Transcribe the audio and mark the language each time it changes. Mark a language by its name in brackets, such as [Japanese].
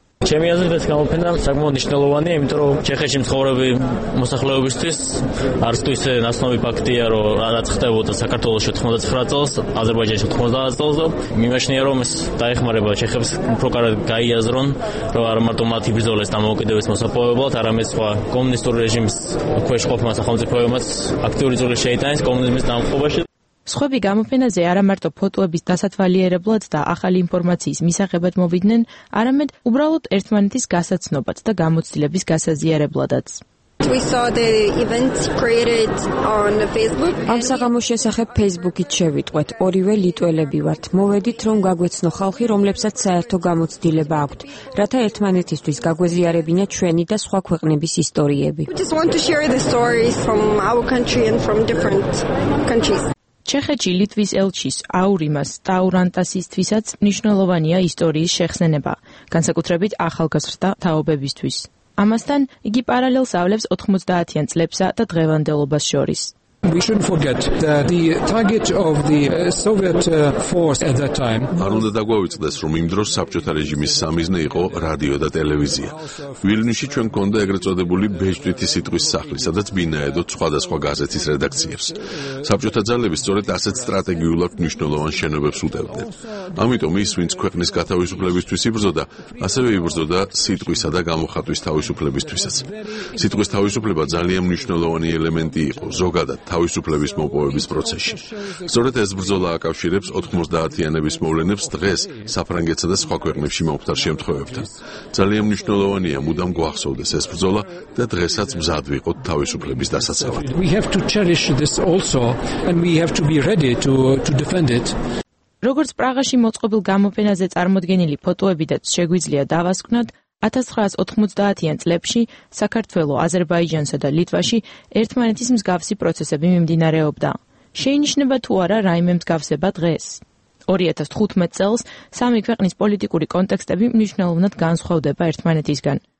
[Georgian] ჩემი აზრით ეს გამოფენა საკმაოდ მნიშვნელოვანია, იმიტომ რომ ჩეხეთში მცხოვრები მოსახლეობისთვის არც თუ ისე ნაცნობი ფაქტია, რომ რაც ხდებოდა საქართველოს 99 წელს, აზერბაიჯანში 90 წელს, მიმაჩნია რომ ეს დაეხმარება ჩეხებს უფრო კარგად გაიაზრონ, რომ არ მარტო მათ იბრძოლეს დამოუკიდებლობის მოსაპოვებლად, არამედ სხვა კომუნისტური რეჟიმის ქვეშ ყოფმა სახელმწიფოებმაც აქტიური ძალა შეიტანეს კომუნიზმის დამხობაში. სხვები გამოფენაზე არა მარტო ფოტოების დასათვალიერებლად და ახალი ინფორმაციის მისაღებად მოვიდნენ, არამედ უბრალოდ ერთმანეთის გასაცნობად და გამოცდილების გასაზიარებლადაც. [English] We saw the events created on Facebook. [Georgian] ამ საღამოს შესახებ Facebook-ით შევიტყვეთ. ორივე ლიტველები ვართ. მოვედით, რომ გაგვეცნო ხალხი, რომლებსაც საერთო გამოცდილება აქვთ, რათა ერთმანეთისთვის გაგვეზიარებინა ჩვენი და სხვა ქვეყნების ისტორიები. [English] We just want to share the stories from our country and from different countries. [Georgian] ჩეხეთში ლიტვის ელჩის აურიმას ტაურანტასისთვისაც მნიშვნელოვანია ისტორიის შეხსენება, განსაკუთრებით ახალგაზრდა თაობებისთვის. ამასთან იგი პარალელს ავლებს 90-იან წლებსა და დღევანდელობას შორის. [English] We shouldn't forget that the target of the Soviet force at that time [Georgian] არუნდა დაგვავიწყდეს, რომ იმ დროს საბჭოთა რეჟიმის სამიზნე იყო რადიო და ტელევიზია. ვილნიუსში ჩვენ გქონდა ეგრეთ წოდებული ბეჭდვითი სიტყვის სახლი, სადაც ბინაედოთ სხვადასხვა გაზეთის რედაქციებს. საბჭოთა ძალები სწორედ ასეთ სტრატეგიულად მნიშვნელოვან შენობებს უტევდნენ. ამიტომ ის, ვინც ქვეყნის გათავისუფლებისთვის იბრძოდა, ასევე იბრძოდა სიტყვისა და გამოხატვის თავისუფლებისთვისაც. სიტყვის თავისუფლება ძალიან მნიშვნელოვანი ელემენტი იყო ზოგადად თავისუფლების მოპოვების პროცესში. სწორედ ეს ბრძოლა აკავშირებს 90-იანების მოვლენებს დღეს საფრანგეთსა და სხვა ქვეყნებში მომხდარ შემთხვევებთან. ძალიან მნიშვნელოვანია მუდამ გვახსოვდეს ეს ბრძოლა და დღესაც მზად ვიყოთ თავისუფლების დასაცავად. [English] We have to cherish this also and we have to be ready to defend it. [Georgian] როგორც პრაღაში მოწყობილ გამოფენაზე წარმოდგენილი ფოტოებიდან შეგვიძლია დავასკვნოთ, 1990-იან წლებში საქართველო, აზერბაიჯანსა და ლიტვაში ერთმანეთის მსგავსი პროცესები მიმდინარეობდა. შეინიშნება თუ არა რაიმე მსგავსება დღეს. 2015 წელს სამი ქვეყნის პოლიტიკური კონტექსტები მნიშვნელოვნად განსხვავდება ერთმანეთისგან.